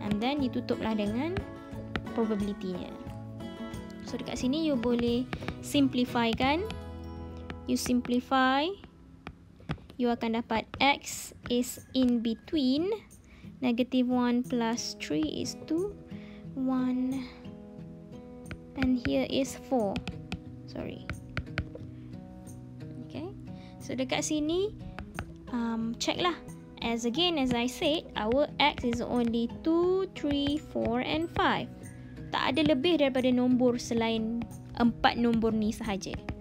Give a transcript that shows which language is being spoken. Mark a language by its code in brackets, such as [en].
[en] And then [ms] ditutuplah dengan probabilitynya. So dekat sini you boleh simplify kan. [en] You simplify, you [ms] akan dapat [en] x is in between negative 1 plus 3 is 2, 1, and here is 4. Sorry. [ms] Okay. So dekat sini, check lah. [en] As again, as I said, our x is only 2, 3, 4 and 5. [ms] Tak ada lebih daripada nombor selain 4 nombor ni sahaja.